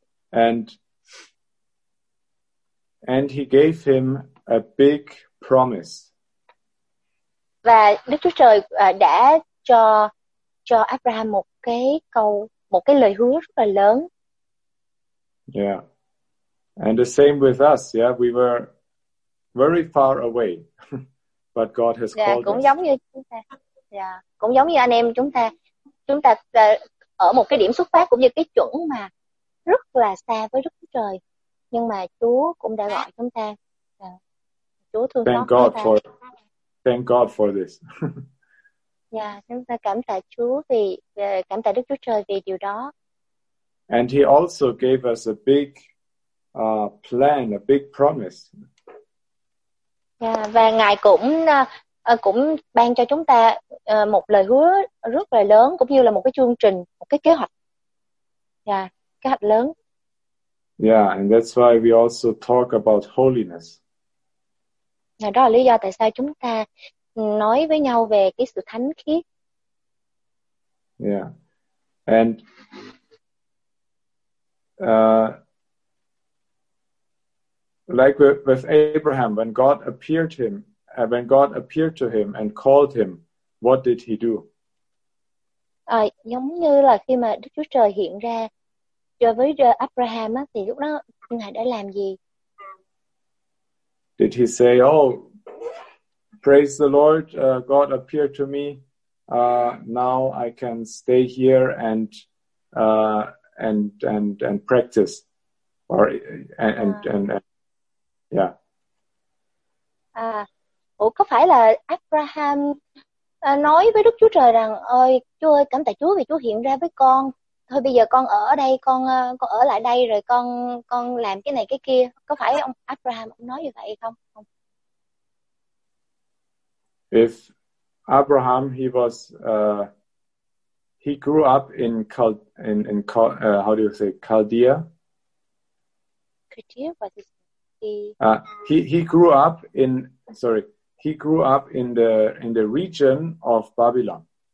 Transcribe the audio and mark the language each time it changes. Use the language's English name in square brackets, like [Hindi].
[English] And he gave him a big promise. [Vietnamese] Và Đức Chúa Trời đã cho Abraham một cái lời hứa rất là lớn. [English] Yeah. And the same with us, yeah, we were very far away. But God has called us. [Vietnamese] Cũng giống như chúng ta. Yeah, cũng giống như anh em chúng ta. Chúng ta ở một cái điểm xuất phát cũng như cái chuẩn mà rất là xa với Đức Chúa Trời. Nhưng mà Chúa cũng đã gọi chúng ta. Chúa thương xót chúng ta. [English] Thank God for this. [Vietnamese] Yeah, chúng ta cảm tạ Chúa vì cảm tạ Đức Chúa Trời vì điều đó. [English] And he also gave us a big plan, a big promise. [Vietnamese] Yeah, và Ngài cũng cũng ban cho chúng ta một lời hứa rất là lớn, cũng như là một cái chương trình, một cái kế hoạch. Yeah, kế hoạch lớn. [English] Yeah, and that's why we also talk about holiness. [Vietnamese] Yeah, đó là lý do tại sao chúng ta nói với nhau về cái sự thánh khiết. [English] Yeah. And like with Abraham, when God appeared him, when God appeared to him and called him, what did he do? [Vietnamese] Giống như là khi mà Đức Chúa Trời hiện ra cho với Abraham á, thì lúc đó Ngài đã làm gì? [English] Did he say, "Oh, praise the Lord, God appeared to me. Now I can stay here and practice," or and yeah. [Vietnamese] Ủa, có phải là Abraham nói với Đức Chúa Trời rằng, "Ôi, Chúa ơi, cảm tạ Chúa vì Chúa hiện ra với con. Thôi bây giờ con ở đây, con ở lại đây rồi con làm cái này cái kia." Có phải ông Abraham nói như vậy không? Không. [English] If Abraham, he was he grew up in how do you say, Chaldea? Chaldea, what is he grew up in the region of Babylon.